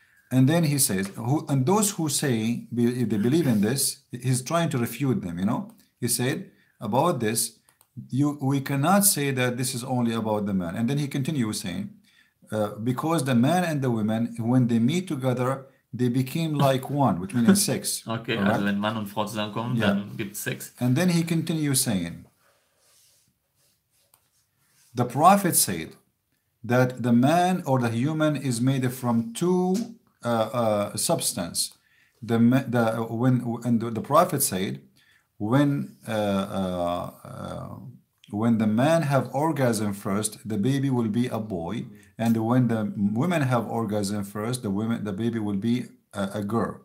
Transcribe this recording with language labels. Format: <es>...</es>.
<en>And then he says, and those who say they believe in this, he's trying to refute them, you know. He said about this, we cannot say that this is only about the man. And then he continues saying, because the man and the woman, when they meet together, they became like one, which means sex. Okay, right?</en> <de>Also wenn Mann und Frau zusammenkommen, yeah, dann gibt's Sex.</de> <en>And then he continues saying, the Prophet said that the man or the human is made from two substance. The Prophet said, when the man have orgasm first, the baby will be a boy, and when the women have orgasm first, the baby will be a girl.</en>